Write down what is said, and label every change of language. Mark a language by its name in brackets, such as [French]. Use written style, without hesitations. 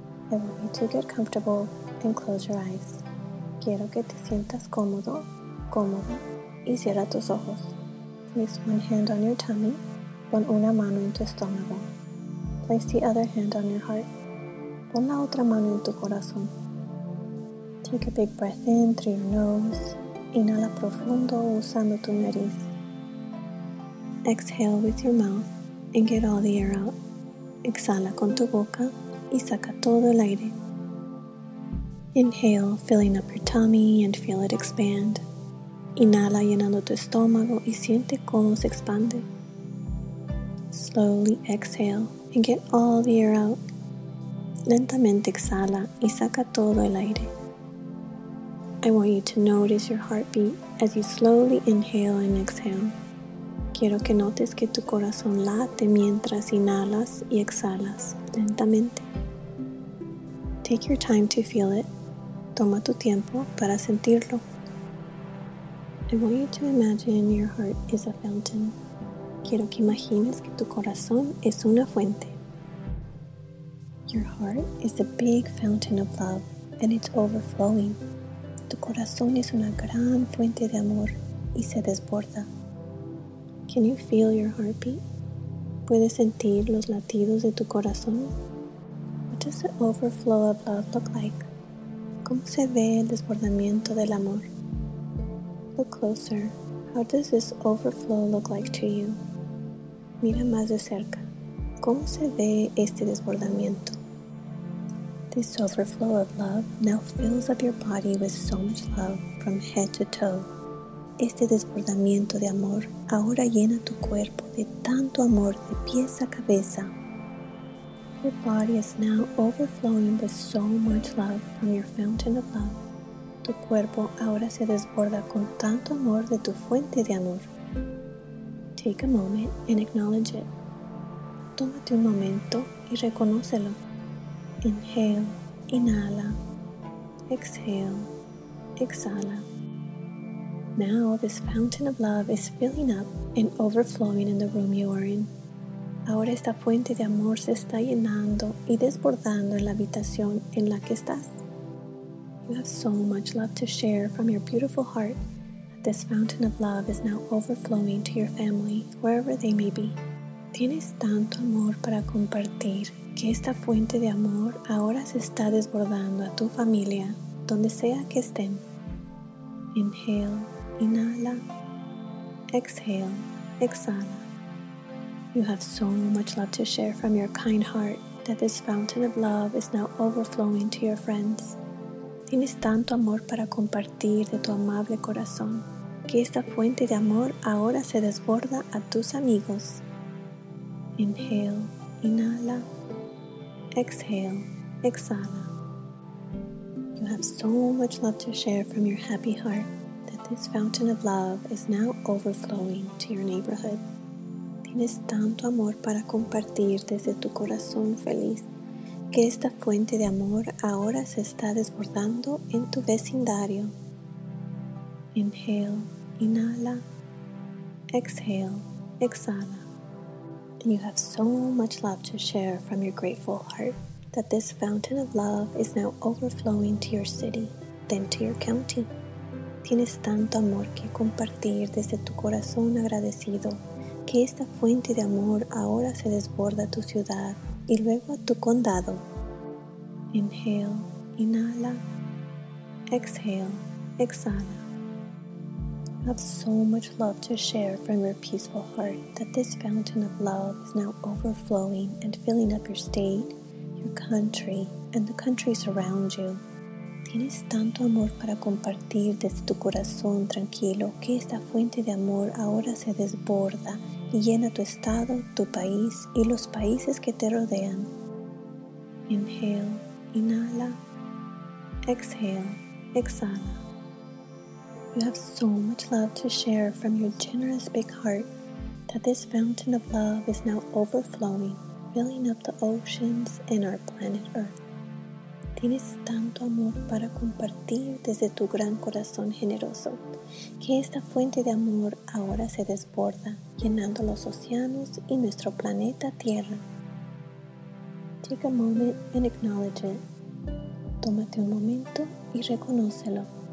[English] I want you to get comfortable and close your eyes. [Spanish] Quiero que te sientas cómodo, cómoda, y cierra tus ojos. [English] Place one hand on your tummy, [Spanish] pon una mano en tu estómago. [English] Place the other hand on your heart. [Spanish] Pon la otra mano en tu corazón. [English] Take a big breath in through your nose. [Spanish] Inhala profundo usando tu nariz. [English] Exhale with your mouth and get all the air out. [Spanish] Exhala con tu boca y saca todo el aire. [English] Inhale, filling up your tummy and feel it expand. [Spanish] Inhala llenando tu estómago y siente cómo se expande. [English] Slowly exhale and get all the air out. [Spanish] Lentamente exhala y saca todo el aire. [English] I want you to notice your heartbeat as you slowly inhale and exhale. [Spanish] Quiero que notes que tu corazón late mientras inhalas y exhalas lentamente. [English] Take your time to feel it. [Spanish] Toma tu tiempo para sentirlo. [English] I want you to imagine your heart is a fountain. [Spanish] Quiero que imagines que tu corazón es una fuente. [English] Your heart is a big fountain of love, and it's overflowing. [Spanish] Tu corazón es una gran fuente de amor, y se desborda. [English] Can you feel your heartbeat? [Spanish] ¿Puedes sentir los latidos de tu corazón? [English] What does the overflow of love look like? [Spanish] ¿Cómo se ve el desbordamiento del amor? [English] Look closer. How does this overflow look like to you? [Spanish] Mira más de cerca. ¿Cómo se ve este desbordamiento? [English] This overflow of love now fills up your body with so much love from head to toe. [Spanish] Este desbordamiento de amor ahora llena tu cuerpo de tanto amor de pies a cabeza. [English] Your body is now overflowing with so much love from your fountain of love. [Spanish] Tu cuerpo ahora se desborda con tanto amor de tu fuente de amor. [English] Take a moment and acknowledge it. [Spanish] Tómate un momento y reconócelo. [English] Inhale, [Spanish] inhala, [English] exhale, [Spanish] exhala. [English] Now this fountain of love is filling up and overflowing in the room you are in. [Spanish] Ahora esta fuente de amor se está llenando y desbordando en la habitación en la que estás. [English] You have so much love to share from your beautiful heart. This fountain of love is now overflowing to your family, wherever they may be. [Spanish] Tienes tanto amor para compartir que esta fuente de amor ahora se está desbordando a tu familia, donde sea que estén. [English] Inhale, [Spanish] inhala. [English] Exhale, [Spanish] exhala. [English] You have so much love to share from your kind heart that this fountain of love is now overflowing to your friends. [Spanish] Tienes tanto amor para compartir de tu amable corazón que esta fuente de amor ahora se desborda a tus amigos. [English] Inhale, [Spanish] inhala. [English] Exhale, [Spanish] exhala. [English] You have so much love to share from your happy heart that this fountain of love is now overflowing to your neighborhood. [Spanish] Tienes tanto amor para compartir desde tu corazón feliz que esta fuente de amor ahora se está desbordando en tu vecindario. [English] Inhale, [Spanish] inhala, [English] exhale, [Spanish] exhala. [English] And you have so much love to share from your grateful heart that this fountain of love is now overflowing to your city, then to your county. [Spanish] Tienes tanto amor que compartir desde tu corazón agradecido que esta fuente de amor ahora se desborda a tu ciudad y luego a tu condado. [English] Inhale, [Spanish] inhala, [English] exhale, [Spanish] exhala. [English] have so much love to share from your peaceful heart that this fountain of love is now overflowing and filling up your state, your country, and the countries around you. [Spanish] Tienes tanto amor para compartir desde tu corazón tranquilo que esta fuente de amor ahora se desborda y llena tu estado, tu país y los países que te rodean. [English] Inhale, [Spanish] inhala, [English] exhale, [Spanish] exhala. [English] You have so much love to share from your generous big heart that this fountain of love is now overflowing, filling up the oceans and our planet Earth. [Spanish] Tienes tanto amor para compartir desde tu gran corazón generoso que esta fuente de amor ahora se desborda, llenando los océanos y nuestro planeta Tierra. [English] Take a moment and acknowledge it. [Spanish] Tómate un momento y reconócelo.